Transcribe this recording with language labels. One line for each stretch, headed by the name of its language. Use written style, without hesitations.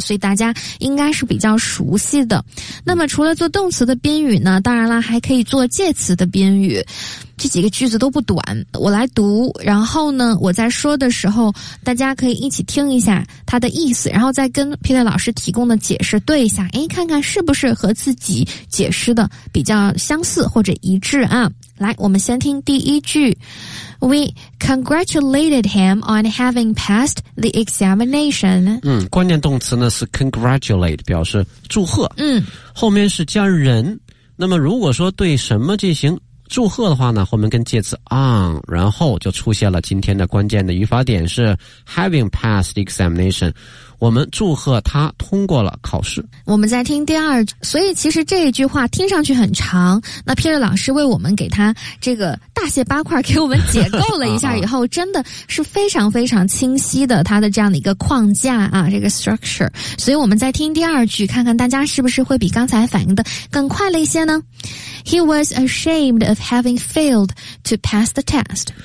Chinese: 所以大家应该是比较熟悉的。那么除了做动词的宾语呢，当然了还可以做介词的宾语。这几个句子都不短，我来读，然后呢我在说的时候大家可以一起听一下它的意思，然后再跟 Peter 老师提供的解释对一下，诶，看看是不是和自己解释的比较相似或者一致啊。来，我们先听第一句，
English: We congratulated him on having passed the examination。
Chinese: 嗯，关键动词呢是 congratulate， 表示祝贺。嗯，后面是加人，那么如果说对什么进行祝贺的话呢，后面跟介词 on， 然后就出现了今天的关键的语法点，是
English: having passed examination，
Chinese: 我们祝贺他通过了考试。我们再听第二，所以其实这一句话听上去很长，那 Peter 老师为我们给他这个大卸八块，给我们解构了一下以后真的是非常非常清晰的他的这样的一个框架啊，这个 structure。所以我们再听第二句，看看大家是不是会比刚才反应的更快了一些呢。
English: He was ashamed of having failed to pass the test。